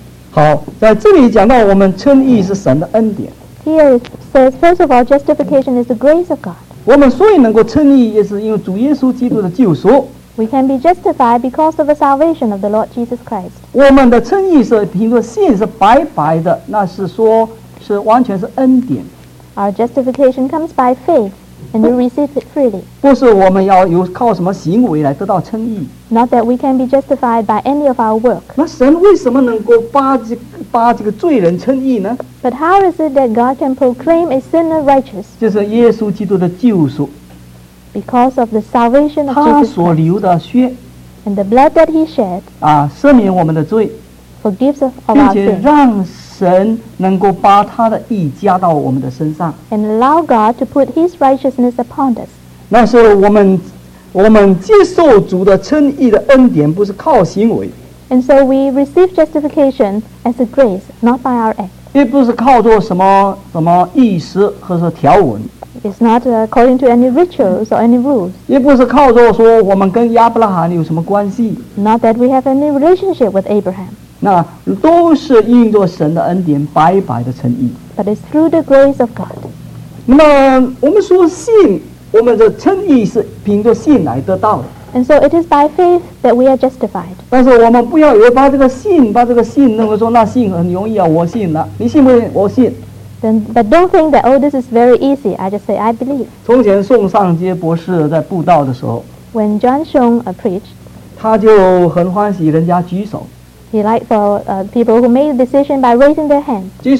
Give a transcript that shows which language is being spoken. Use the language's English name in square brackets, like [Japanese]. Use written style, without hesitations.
[Chinese] 好，在这里讲到我们称义是神的恩典。 [English] Here it says, first of all, justification is the grace of God. [Chinese] 我们所以能够称义，也是因为主耶稣基督的救赎。 [English] We can be justified because of the salvation of the Lord Jesus Christ. [Chinese] 我们的称义是凭着信是白白的，那是说。是完全是恩典。 [English] Our justification comes by faith, and we receive it freely. [Chinese] 不是我们要有靠什么行为来得到称义。 [English] Not that we can be justified by any of our work. [Chinese] 那神为什么能够把这个罪人称义呢 [English] ？But how is it that God can proclaim a sinner righteous? [Chinese] 就是耶稣基督的救赎。 [English] Because of the salvation of Jesus. [Chinese] 他所流的血。 [English] And the blood that he shed. [Chinese] 啊，赦免我们的罪。 [English] Forgives of our sin. [Chinese] 并且让。神能够把他的义加到我们的身上 [English] and allow God to put his righteousness upon us [Chinese] 那是我们接受主的称义的恩典不是靠行为 [English] and so we receive justification as a grace not by our act [Chinese] 也不是靠做什么什么意思或者条文 [English] It's not according to any rituals or any rules. [Chinese] 也不是靠着说我们跟亚伯拉罕有什么关系。 [English] Not that we have any relationship with Abraham. [Chinese] 那都是应着神的恩典白白的称义。 [English] But it's through the grace of God. [Chinese] 那么我们说信，我们的称义是凭着信来得到的。 [English] And so it is by faith that we are justified. [Chinese] 但是我们不要以为把这个信认为说那信很容易啊，我信了，你信不信？我信。 [English] But don't think that, oh, this is very easy. I just say, I believe. [Chinese] 从前宋尚杰博士在布道的时候, [English] when John Shung preached, [Chinese] 他就很欢喜人家举手。 [English] He liked for people who made a decision by raising their hand.